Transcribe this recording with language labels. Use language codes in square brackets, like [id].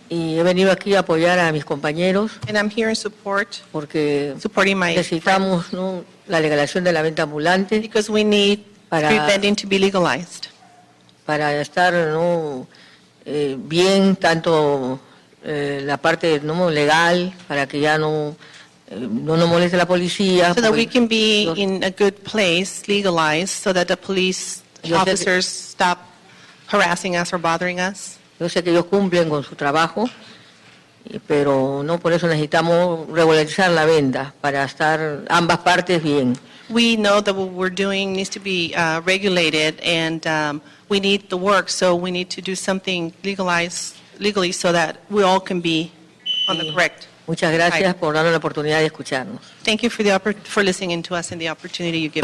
[es] Y he venido aquí a apoyar a mis compañeros. [en] And I'm here in support. [es] Porque [en] supporting my [es] necesitamos, ¿no?, la legalización de la venta ambulante. [en] Because we need street vending to be legalized. [es] Para estar, ¿no?, bien tanto la parte, ¿no?, legal, para que ya no nos moleste la policía. [en] So that we can be in a good place, legalized, so that the police officers stop harassing us or bothering us. [es] Yo sé que ellos cumplen con su trabajo, pero no por eso necesitamos regularizar la venta para estar ambas partes bien. [en] We know that what we're doing needs to be regulated, and we need the work, so we need to do something legally so that we all can be on the correct. [es] Muchas gracias por darnos la oportunidad de escucharnos. [en] Thank you for listening to us and the opportunity you give.